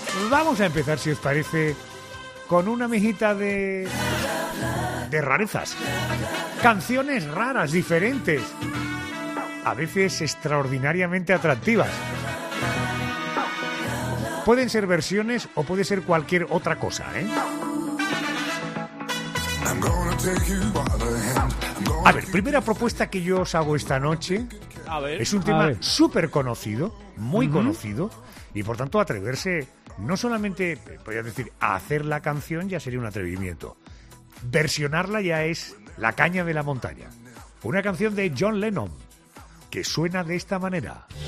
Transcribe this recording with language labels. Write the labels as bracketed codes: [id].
[es] Vamos a empezar, si os parece, con una mijita de rarezas. Canciones raras, diferentes, a veces extraordinariamente atractivas. Pueden ser versiones o puede ser cualquier otra cosa, ¿eh? [en] I'm gonna take you by the hand. [es] A ver, primera propuesta que yo os hago esta noche. A ver, es un tema súper conocido, muy conocido, y por tanto atreverse, no solamente, voy a decir, a hacer la canción ya sería un atrevimiento. Versionarla ya es la caña de la montaña. Una canción de John Lennon, que suena de esta manera.